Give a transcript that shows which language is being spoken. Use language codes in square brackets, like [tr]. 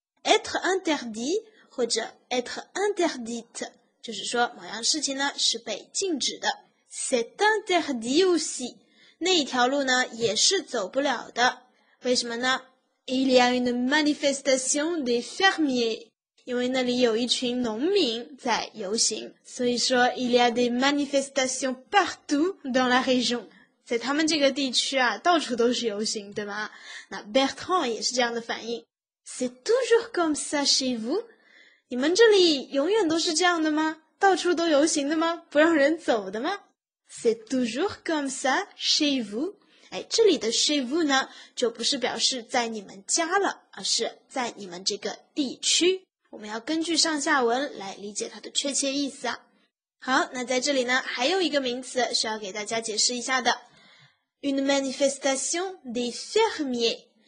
[zh] être interdit 或者 être interdite， 就是说某样事情呢是被禁止的。 [fr] c'est interdit aussi， [zh] 那一条路呢也是走不了的。为什么呢？ [fr] Il y a une manifestation des fermiers， [zh] 因为那里有一群农民在游行，所以说 [fr] il y a des manifestations partout dans la région， [zh] 在他们这个地区啊到处都是游行，对吗？那 Bertrand 也是这样的反应， [fr] C'est toujours comme ça chez vous， [zh] 你们这里永远都是这样的吗？到处都游行的吗？不让人走的吗？ [fr] C'est toujours comme ça chez vous。 [zh] 哎，这里的 chez vous 呢，就不是表示在你们家了，而是在你们这个地区。我们要根据上下文来理解它的确切意思啊。好，那在这里呢，还有一个名词需要给大家解释一下的 ， [fr] une manifestation des fermiers。